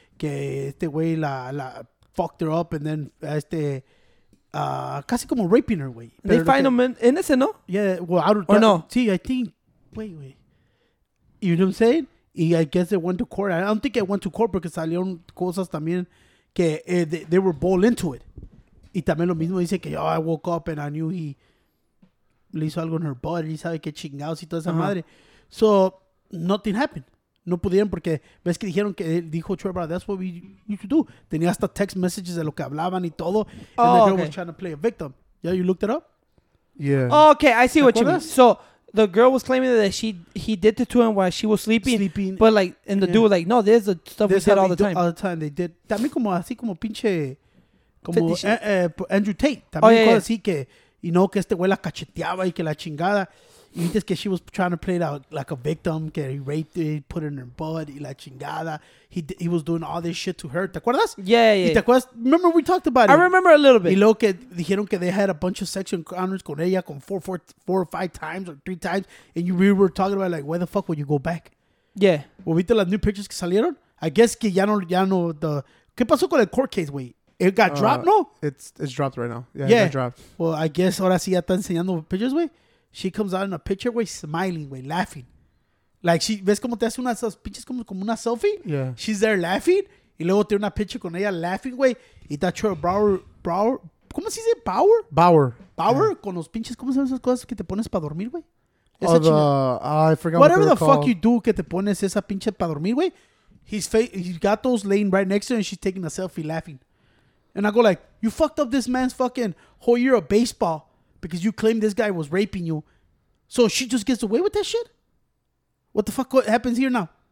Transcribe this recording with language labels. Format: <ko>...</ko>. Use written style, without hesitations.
<es>Que este güey la</es> <en>fucked her up and then</en> <es>casi como</es> <en>raping her,</en> <es>güey.</es> <en>They find him innocent, ¿no? Yeah, well, I don't know. Or no? Sí, I think. Wait. You know what I'm saying? I guess it went to court. I don't think it went to court</en> <es>porque salieron cosas también que</es> <en>they were bowled into it.</en> <es>Y también lo mismo dice que,</es> <en>I woke up and I knew he</en> <es>le hizo algo en</es> <en>her butt.</en> <es>Y sabe que chingados y toda esa madre.</es> <en>So, nothing happened.</en> <es>No pudieron porque ves que dijeron que él dijo Trevor,</es> <en>that's what we need to do.</en> <es>Tenía hasta</es> <en>text messages</en> <es>de lo que hablaban y todo.</es> <en>Oh, and the girl was trying to play a victim. Yeah, you looked it up? Yeah. Oh, okay, I see what you mean. So the girl was claiming that he did it to him while she was sleeping. But like, and the dude was like, no, there's the stuff this we said all the time. All the time they did.</en> <es>También como así como pinche, como Andrew Tate. También así que</es> <en>you know,</en> <es>que este güey la cacheteaba y que la chingada. Y dices que</es> <en>she was trying to play it out like a victim, que he raped it, put it in her butt,</en> <es>y la chingada.</es> <en>He was doing all this shit to her.</en> <es>¿Te acuerdas?</es> <en>Yeah.</en> <es>¿Y te acuerdas?</es> <en>Remember we talked about it. I remember a little bit.</en> <es>Y luego que dijeron que</es> <en>they had a bunch of sexual encounters</en> <es>con ella, con</es> <en>four or five times or three times. And you really were talking about like, where the fuck would you go back? Yeah.</en> <es>¿Well, viste las</es> <en>new pictures</en> <es>que salieron?</es> <en>I guess</en> <es>que ya no the... ¿Qué pasó con el court case, güey?</es> <en>It got dropped, no? It's dropped right now. Yeah, it got dropped. Well, I guess</en> <es>ahora sí ya está enseñando</es> <en>pictures, güey. She comes out in a picture, güey, smiling, güey, laughing. Like, she,</en> <es>¿ves cómo te hace una de esas pinches como una selfie?</es> <en>Yeah. She's there laughing.</en> <es>Y luego tiene una picture con ella</es> <en>laughing,</en> <es>güey. Y está hecho Bauer. ¿Cómo se dice? Bauer. Bauer. Bauer, yeah. Con los pinches. ¿Cómo son esas cosas que te pones para dormir, güey?</es> <en>Oh, the... I forgot whatever the fuck you do</en> <es>que te pones esa pinche para dormir, güey.</es> <en>He's got those laying right next to her and she's taking a selfie laughing. And I go like, you fucked up this man's fucking whole year of baseball. Because you claim this guy was raping you. So she just gets away with that shit? What the fuck happens here now?</en>